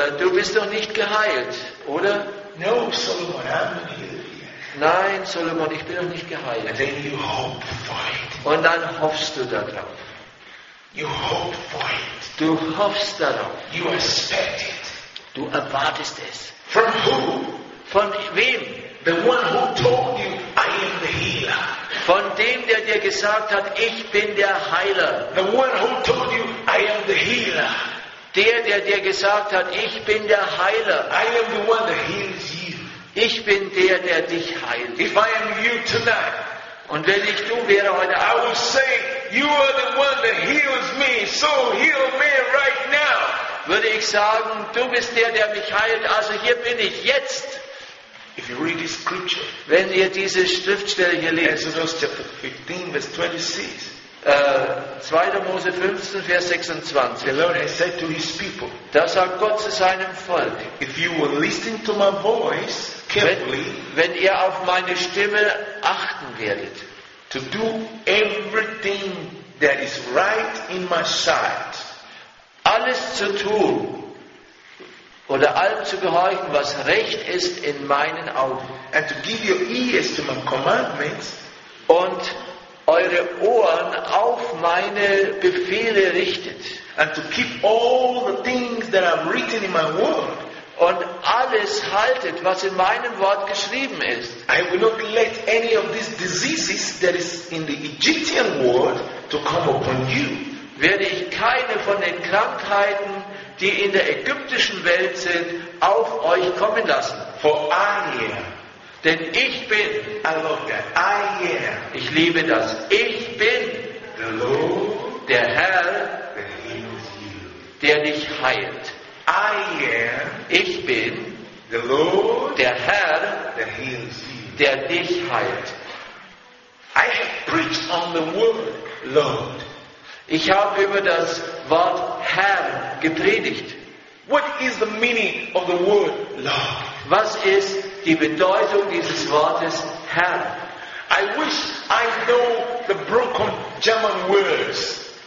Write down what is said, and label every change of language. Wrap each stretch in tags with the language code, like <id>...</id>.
<de>Du bist noch nicht geheilt, oder?</de> <en>No, Solomon, I'm not healed.</en> <de>Nein, Solomon, ich bin noch nicht geheilt.</de> <en>And then you hope for it.</en> <de>Und dann hoffst du darauf.</de> <en>You hope for it.</en> <de>Du hoffst darauf.</de> <en>You expect it.</en> <de>Du erwartest es.</de> <en>From who?</en> <de>Von wem?</de> <en>The one who told you, I am the healer.</en> <de>Von dem, der dir gesagt hat, ich bin der Heiler.</de> <en>The one who told you, I am the healer.</en> <de>Der dir gesagt hat, ich bin der Heiler.</de> <en>I am the one that heals you.</en> <de>Ich bin der dich heilt.</de> <en>If I am you tonight,</en> <de>und wenn ich du wäre heute Abend,</de> <en>I will say, you are the one that heals me, so heal me right now.</en> <de>Würde ich sagen, du bist der mich heilt, also hier bin ich jetzt.</de> <en>If you read this scripture,</en> <de>wenn ihr diese Schriftstelle hier lest,</de> <en>Exodus chapter 15, verse 26,</en> <de>2. Mose 15, Vers 26.</de> <en>The Lord has said to his people,</en> <de>da sagt Gott zu seinem Volk,</de> <en>if you will listen to my voice carefully,</en> <de>wenn ihr auf meine Stimme achten werdet,</de> <en>to do everything that is right in my sight,</en> <de>alles zu tun oder allem zu gehorchen, was recht ist in meinen Augen,</de> <en>and to give your ears to my commandments,</en> <de>und eure Ohren auf meine Befehle richtet.</de> <en>And to keep all the things that I've written in my word.</en> <de>und alles haltet, was in meinem Wort geschrieben ist.</de> <en>I will not let any of these diseases that is in the Egyptian world to come upon you.</en> <de>Werde ich keine von den Krankheiten, die in der ägyptischen Welt sind, auf euch kommen lassen.</de> <en>For I am.</en> <de>Denn ich bin.</de> <en>I love that. I am.</en> <de>Ich liebe das. Ich bin.</de> <en>The Lord.</en> <de>Der Herr.</de> <en>That heals you.</en> <de>Der dich heilt.</de> <en>I am.</en> <de>Ich bin.</de> <en>The Lord.</en> <de>Der Herr.</de> <en>That heals you.</en> <de>Der dich heilt.</de> <en>I have preached on the word Lord.</en> <de>Ich habe über das Wort Herr gepredigt.</de> <en>What is the meaning of the word Lord?</en> <de>Was ist die Bedeutung dieses Wortes Herr?</de> <en>I wish I know the broken German words.</en>